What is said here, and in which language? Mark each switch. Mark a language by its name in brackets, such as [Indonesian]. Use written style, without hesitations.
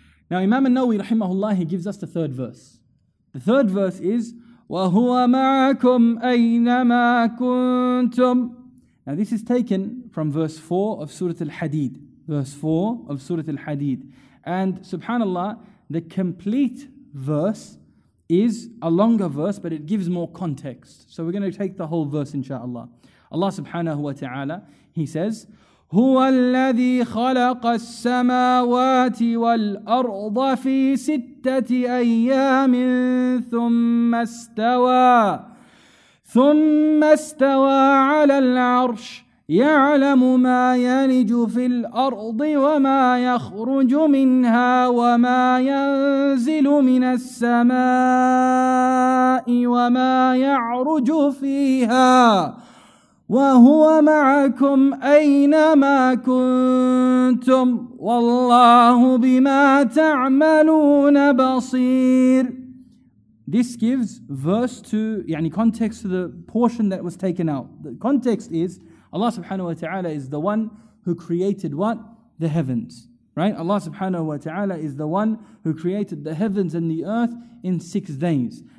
[English] Now Imam An-Nawawi rahimahullah, he gives us the third verse. The third verse is, [Arabic] وَهُوَ مَعَكُمْ أَيْنَمَا كُنْتُمْ. [English] Now this is taken from verse 4 of Surah Al-Hadid. Verse 4 of Surah Al-Hadid. And subhanAllah, the complete verse is a longer verse, but it gives more context. So we're going to take the whole verse, inshaAllah. Allah subhanahu wa ta'ala, He says, [Arabic] هُوَ الَّذِي خَلَقَ السَّمَاوَاتِ وَالْأَرْضَ فِي سِتَّةِ أَيَّامٍ ثُمَّ اسْتَوَى عَلَى الْعَرْشِ يعلم ما يلج في الأرض وما يخرج منها وما ينزل من السماء وما يعرج فيها وهو معكم أينما كنتم والله بما تعملون بصير. [English] This gives verse to, [Arabic] يعني [English] context to the portion that was taken out. The context is Allah subhanahu wa ta'ala is the one who created what? The heavens, right? Allah subhanahu wa ta'ala is the one who created the heavens and the earth in 6 days.